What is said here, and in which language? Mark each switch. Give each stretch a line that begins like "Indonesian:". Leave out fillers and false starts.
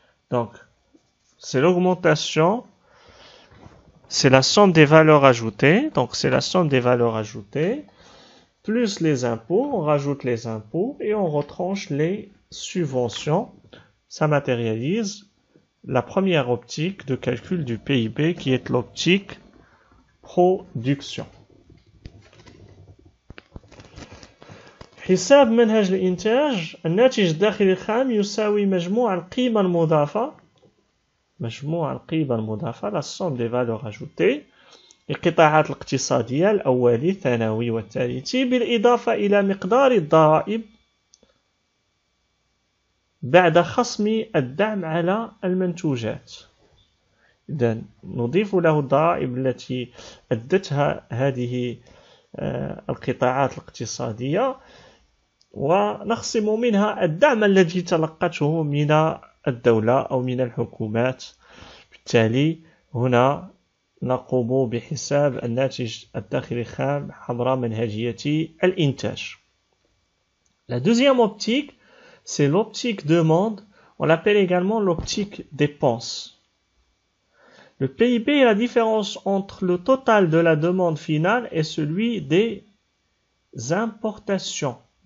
French: Donc, c'est l'augmentation. C'est la somme des valeurs ajoutées, donc c'est la somme des valeurs ajoutées, plus les impôts, on rajoute les impôts et on retranche les subventions. Ça matérialise la première optique de calcul du PIB qui est l'optique production.
Arabic: حساب منهج الإنتاج الناتج الداخلي الخام يساوي مجموع القيمة المضافة. مجموع القيمة المضافة
French: la somme des valeurs ajoutées
Arabic: القطاعات الاقتصادية الأولي الثانوي والثالثي بالإضافة إلى مقدار الضرائب بعد خصم الدعم على المنتوجات. إذن نضيف له الضرائب التي أدتها هذه القطاعات الاقتصادية، ونخصم منها الدعم الذي تلقته من الدولة أو من الحكومات. بالتالي هنا نقوم بحساب الناتج الداخلي الخام عبر منهجية الإنتاج.
French: La deuxième optique, c'est l'optique demande, on l'appelle également l'optique dépense. Le PIB est la différence entre le total de la demande finale et celui des importations.